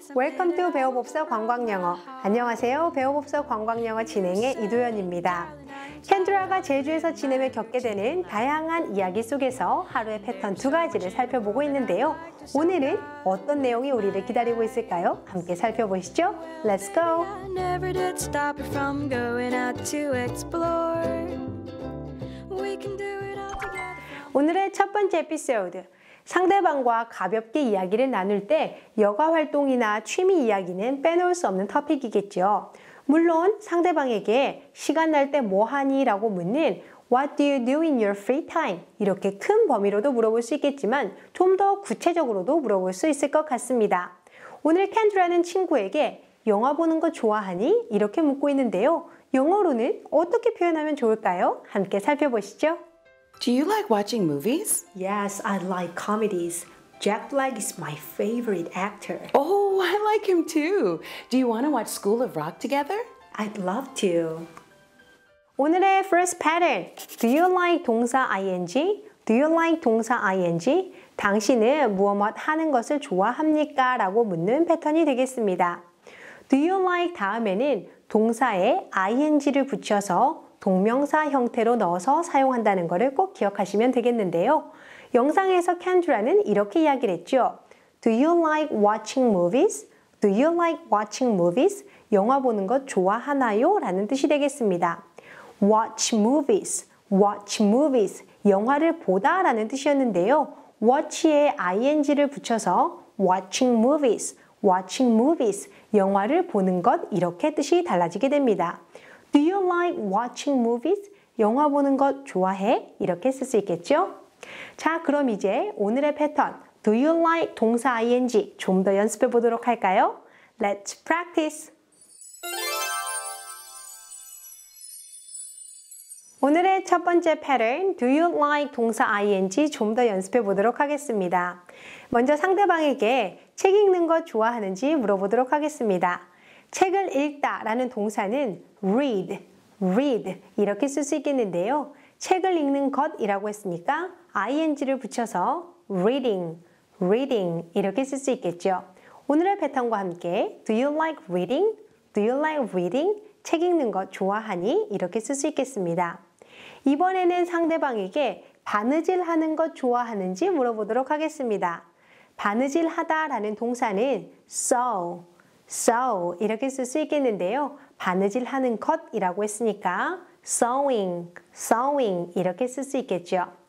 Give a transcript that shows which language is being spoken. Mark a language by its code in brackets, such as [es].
[en] Welcome to [ko] 배워봅서 관광영어. 안녕하세요. 배워봅서 관광영어 진행의 이도현입니다. 켄드라가 제주에서 지내며 겪게 되는 다양한 이야기 속에서 하루의 패턴 두 가지를 살펴보고 있는데요. 오늘은 어떤 내용이 우리를 기다리고 있을까요? 함께 살펴보시죠. [en] Let's go! I never did stop it from going out to explore. We can do it all together. [ko] 오늘의 첫 번째 에피소드. 상대방과 가볍게 이야기를 나눌 때 여가 활동이나 취미 이야기는 빼놓을 수 없는 토픽이겠죠. 물론 상대방에게 시간 날 때 뭐 하니? 라고 묻는 [en] What do you do in your free time? [ko] 이렇게 큰 범위로도 물어볼 수 있겠지만 좀 더 구체적으로도 물어볼 수 있을 것 같습니다. 오늘 켄드라는 친구에게 영화 보는 거 좋아하니? 이렇게 묻고 있는데요. 영어로는 어떻게 표현하면 좋을까요? 함께 살펴보시죠. [en] Do you like watching movies? Yes, I like comedies. Jack Black is my favorite actor. Oh, I like him too. Do you want to watch School of Rock together? I'd love to. [ko] 오늘의 [en] first pattern. Do you like 동사 ing? Do you like 동사 ing? [ko] 당신은 무엇 하는 것을 좋아합니까? 라고 묻는 패턴이 되겠습니다. Do you like 다음에는 동사에 ing를 붙여서 동명사 형태로 넣어서 사용한다는 것을 꼭 기억하시면 되겠는데요. 영상에서 켄드라는 이렇게 이야기를 했죠. [en] Do you like watching movies? Do you like watching movies? [ko] 영화 보는 것 좋아하나요? 라는 뜻이 되겠습니다. [en] Watch movies. Watch movies. [ko] 영화를 보다 라는 뜻이었는데요. Watch에 ing를 붙여서 [en] watching movies. Watching movies. [ko] 영화를 보는 것 이렇게 뜻이 달라지게 됩니다. [en] Do you like watching movies? [ko] 영화 보는 것 좋아해? 이렇게 쓸 수 있겠죠? 자, 그럼 이제 오늘의 패턴 [en] Do you like [ko] 동사 ing? 좀 더 연습해 보도록 할까요? [en] Let's practice! [ko] 오늘의 첫 번째 패턴 [en] Do you like [ko] 동사 ing? 좀 더 연습해 보도록 하겠습니다. 먼저 상대방에게 책 읽는 것 좋아하는지 물어보도록 하겠습니다. 책을 읽다 라는 동사는 read, read 이렇게 쓸 수 있겠는데요. 책을 읽는 것이라고 했으니까 ing를 붙여서 reading, reading 이렇게 쓸 수 있겠죠. 오늘의 패턴과 함께 [en] Do you like reading? Do you like reading? [ko] 책 읽는 것 좋아하니? 이렇게 쓸 수 있겠습니다. 이번에는 상대방에게 바느질하는 것 좋아하는지 물어보도록 하겠습니다. 바느질하다 라는 동사는 sew, sew 이렇게 쓸 수 있겠는데요. 바느질하는 것이라고 했으니까 sewing, sewing 이렇게 쓸 수 있겠죠.